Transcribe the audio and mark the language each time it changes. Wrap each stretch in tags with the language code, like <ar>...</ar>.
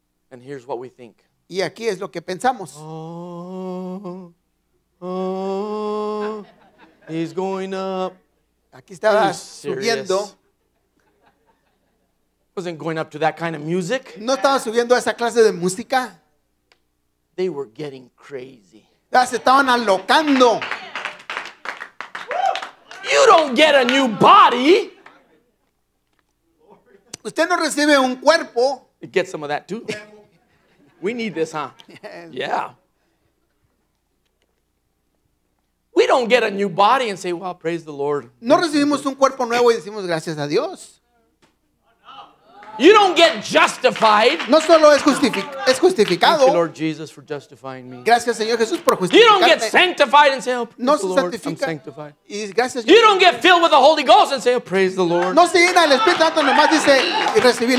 <en>And here's what we think.</en> <es>Y aquí es lo que pensamos.</es> <en>Oh, he's going up.</en> <es>Aquí estaba subiendo.</es> <en>Wasn't going up to that kind of music.</en> <es>No estaba subiendo a esa clase de música.</es> <en>They were getting crazy.</en> <es>Ya se estaban alocando.</es> <en>You don't get a new body.</en> <es>Usted no recibe un cuerpo.</es> <en>Get some of that too. We need this, huh? Yes. Yeah. We don't get a new body and say, well, praise the Lord.</en> <es>No recibimos un cuerpo nuevo y decimos gracias a Dios.</es> <en>You don't get justified.</en> <es>No solo es justificado.</es> <en>Thank you, Lord Jesus, for justifying me.</en> <es>Gracias, Señor Jesús, por justificarme.</es> <en>You don't get sanctified and say, oh,</en> <es>no</es> <en>the Lord, I'm sanctified.</en> <es>Y gracias,</es> <en>you don't get filled with the Holy Ghost and say, oh, praise the Lord.</en> <es>No se llena el Espíritu Santo, nomás dice, y recibir.</es>